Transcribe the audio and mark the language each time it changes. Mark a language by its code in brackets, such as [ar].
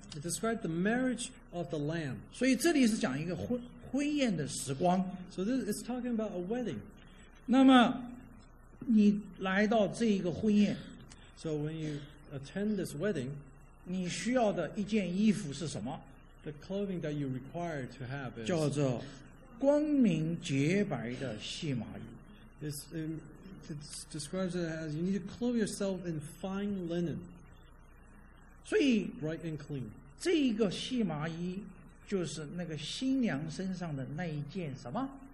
[en] It describes the marriage of the lamb. [zh] 所以这里是讲一个婚宴的时光。 [en] So this is talking about a wedding. [zh] 那么你来到这一个婚宴。 [en] So when you attend this wedding, [zh] 你需要的一件衣服是什么？ [en] The clothing that you require to have is [zh] 叫做光明洁白的细麻衣。 [en] It describes it as you need to clothe yourself in fine linen. [zh] 所以 [en] bright and clean. [zh] 这一个细麻衣就是那个新娘身上的那一件什么？